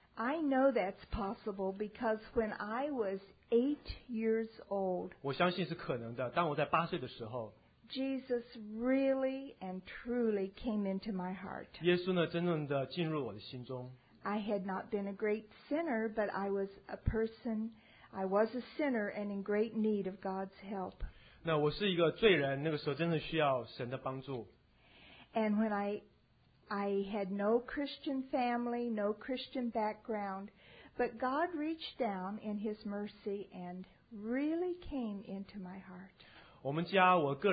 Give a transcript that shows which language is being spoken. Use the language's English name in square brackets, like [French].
[English] I know that's possible because when I was 8 years old, [Chinese] 我相信是可能的，当我在八岁的时候。 [English] Jesus really and truly came into my heart. [Chinese] 耶稣呢，真正的进入我的心中。 [English] I had not been a great sinner, but I was a person. I was a sinner and in great need of God's help. [Chinese] 那我是一个罪人，那个时候真的需要神的帮助。 [English] And when I had no Christian family, no Christian background, but God reached down in His mercy and really came into my heart.